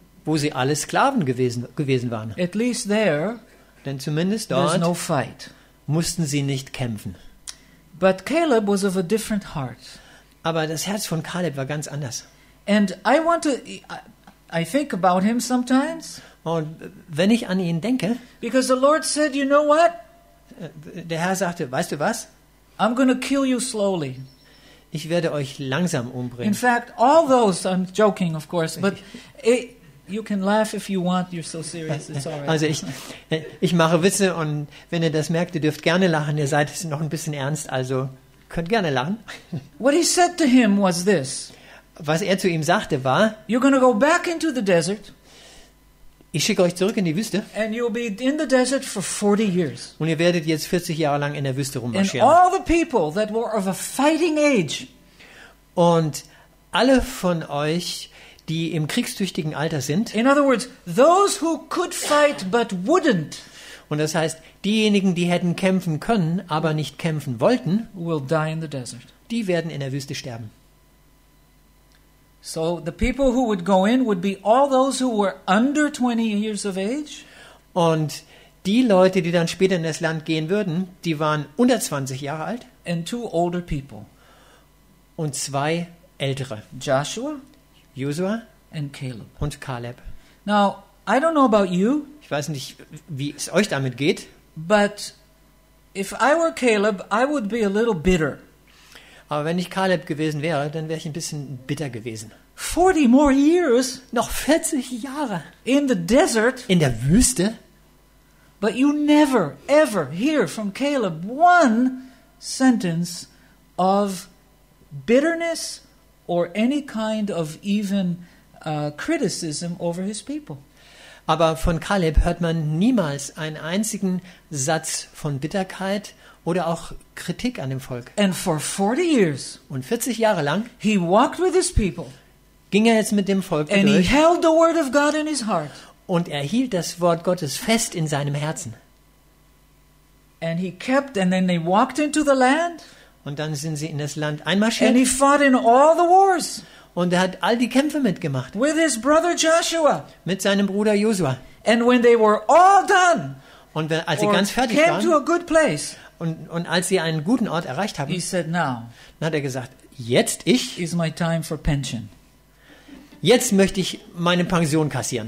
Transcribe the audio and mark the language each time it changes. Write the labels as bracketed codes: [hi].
[de] Wo sie alle Sklaven gewesen waren. [en] At least there. [de] Denn zumindest dort. [en] There's no fight. [de] Mussten sie nicht kämpfen. [en] But Caleb was of a different heart. [de] Aber das Herz von Caleb war ganz anders. [en] And I think about him sometimes. [de] Und wenn ich an ihn denke. [en] Because the Lord said, you know what? [de] Der Herr sagte, weißt du was? [en] I'm going to kill you slowly. [de] Ich werde euch langsam umbringen. [en] In fact, all those, I'm joking, of course, but You can laugh if you want, you're so serious, it's all right. [de] Also ich mache Witze und wenn ihr das merkt, ihr dürft gerne lachen, ihr seid noch ein bisschen ernst, also könnt gerne lachen. [en] What he said to him was this. [de] Was er zu ihm sagte war, [en] you're going to go back into the desert. [de] Ich schicke euch zurück in die Wüste. [en] And you'll be in the desert for 40 years. [de] Und ihr werdet jetzt 40 Jahre lang in der Wüste rummarschieren. [en] And all the people that were of a fighting age. [de] Und alle von euch, die im kriegstüchtigen Alter sind. [en] In other words, those who could fight but wouldn't. [de] Und das heißt, diejenigen, die hätten kämpfen können, aber nicht kämpfen wollten, [en] will die in the desert. [de] Die werden in der Wüste sterben. [en] So the people who would go in would be all those who were under 20 years of age. [de] Und die Leute, die dann später in das Land gehen würden, die waren unter 20 Jahre alt. [en] And two older people. [de] Und zwei ältere. [en] Joshua and Caleb. [de] Und Caleb. [en] Now, I don't know about you. [de] Ich weiß nicht, wie es euch damit geht. [en] But if I were Caleb, I would be a little bitter. [de] Aber wenn ich Caleb gewesen wäre, dann wäre ich ein bisschen bitter gewesen. [en] 40 more years, [de] noch 40 Jahre [en] in the desert, [de] in der Wüste. [en] But you never ever hear from Caleb one sentence of bitterness or any kind of even criticism over his people. [de] Aber von Caleb hört man niemals einen einzigen Satz von Bitterkeit oder auch Kritik an dem Volk. [en] And for 40 years, [de] und 40 Jahre lang, [en] he walked with his people, [de] ging er jetzt mit dem Volk [en] and [de] durch, [en] he held the word of God in his heart, [de] und er hielt das Wort Gottes fest in seinem Herzen. [en] And he kept, and then they walked into the land, [de] und dann sind sie in das Land einmarschiert, [en] and he fought in all the wars, [de] und er hat all die Kämpfe mitgemacht, [en] with his brother Joshua, [de] mit seinem Bruder Joshua. [en] And when they were all done, [de] und wenn, als sie ganz fertig waren, [en] to a good place, [de] und als sie einen guten Ort erreicht haben, [en] he said, now, [de] dann hat er gesagt, jetzt ich, [en] is my time for pension. [de] Jetzt möchte ich meine Pension kassieren.